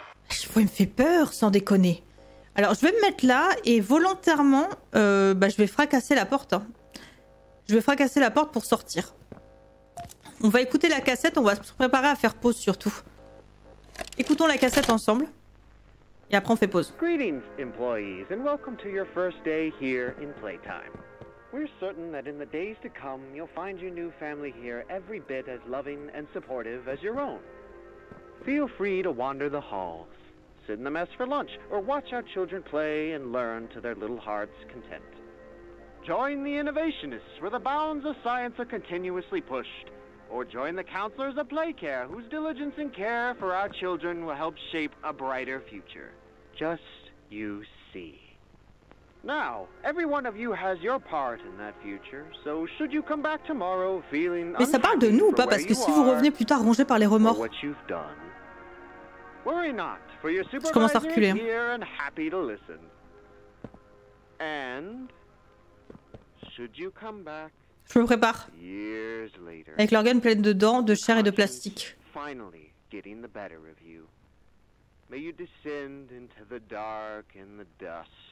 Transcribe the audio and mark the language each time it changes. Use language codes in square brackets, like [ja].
[fr] Je vois, il me fait peur, sans déconner. Alors, je vais me mettre là et volontairement, je vais fracasser la porte. Hein. Je vais fracasser la porte pour sortir. On va écouter la cassette, on va se préparer à faire pause surtout. Écoutons la cassette ensemble. Et après, on fait pause. [en] Greetings, employees, and welcome to your first day here in Playtime. We're certain that in the days to come, you'll find your new family here every bit as loving and supportive as your own. Feel free to wander the halls. Sit in the mess for lunch, or watch our children play and learn to their little hearts' content. Join the innovationists, where the bounds of science are continuously pushed. Or join the counselors of Playcare, whose diligence and care for our children will help shape a brighter future. Just you see. Now, every one of you has your part in that future, so should you come back tomorrow feeling... [fr] Mais ça parle de nous ou pas? Parce que si vous revenez plus tard rongé par les remords... [en] What you've done. Worry not, for your supervisor [fr] je commence à reculer. [en] Here and happy to listen. And... Should you come back... [fr] Je me prépare. [en] Years later, [fr] avec l'organe plein de dents, de chair et de plastique. [en] Finally getting the better of you. May you descend into the dark and the dust.